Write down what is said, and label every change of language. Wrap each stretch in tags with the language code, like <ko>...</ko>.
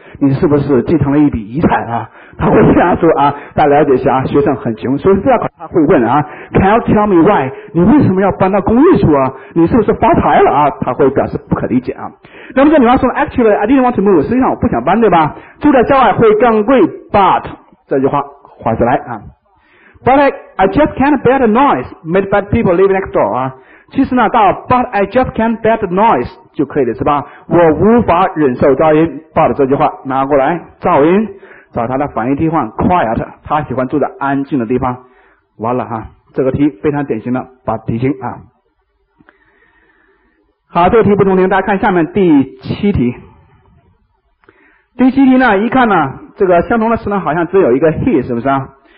<zh>你是不是继承了一笔遗产啊？他会这样说啊，大家了解一下啊，学生很穷，所以这样他会问啊 ，</zh> <en>Can you tell me why？</en> <zh>你为什么要搬到公寓住啊？你是不是发财了啊？他会表示不可理解啊。那么这女孩说 ，</zh> <en>Actually, I didn't want to move。</en> <zh>实际上我不想搬，对吧？住在郊外会更贵 ，But 这句话划出来啊。</zh> <en>But I just can't bear the noise made by people living next door 啊。</en> <zh>其实呢，到</zh> <en>But I just can't bear the noise</en> <zh>就可以了，是吧？我无法忍受噪音 ，But 这句话拿过来，噪音。找他的反应替换 quiet， 他喜欢住在安静的地方。完了哈，这个题非常典型的把题型啊。好，这个题不同题，大家看下面第七题。第七题呢，一看呢，这个相同的词呢，好像只有一个 he， 是不是啊？</zh>